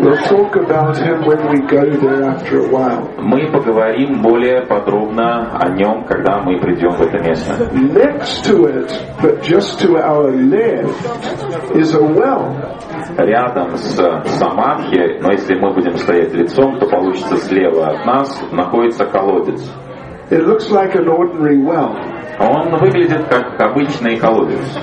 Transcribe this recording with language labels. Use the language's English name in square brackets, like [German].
[English] We'll talk about him when we go there after a while. [Russian] Мы поговорим более подробно о нем, когда мы придем в это место. [English] Next to it, but just to our left, is a well. [Russian] Рядом с Самадхи, но если мы будем стоять лицом, то получится слева от нас, находится колодец. [English] It looks like an ordinary well. [Russian] Он выглядит как обычный колодец.